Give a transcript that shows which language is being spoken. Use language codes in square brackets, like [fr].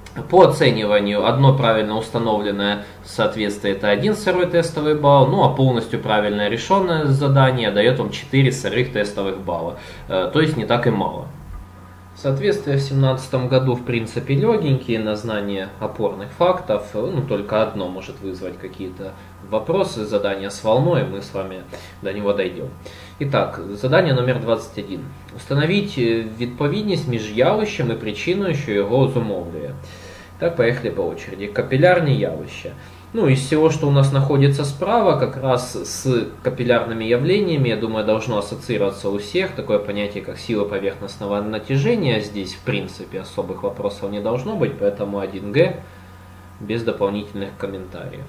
[ru] По оцениванию, одно правильно установленное соответствие – это 1 сырой тестовый балл, ну а полностью правильно решенное задание дает вам 4 сырых тестовых балла, то есть не так и мало. Соответствие в 2017 году в принципе легенькие на знание опорных фактов, ну только одно может вызвать какие-то вопросы, задание с волной, мы с вами до него дойдем. Итак, задание номер 21. [uk] Установить відповідність між явищем и причиной, що його зумовлює. [ru] Так, поехали по очереди. Капиллярные явища. Ну, из всего, что у нас находится справа, как раз с капиллярными явлениями, я думаю, должно ассоциироваться у всех такое понятие, как сила поверхностного натяжения. Здесь, в принципе, особых вопросов не должно быть, поэтому 1Г без дополнительных комментариев.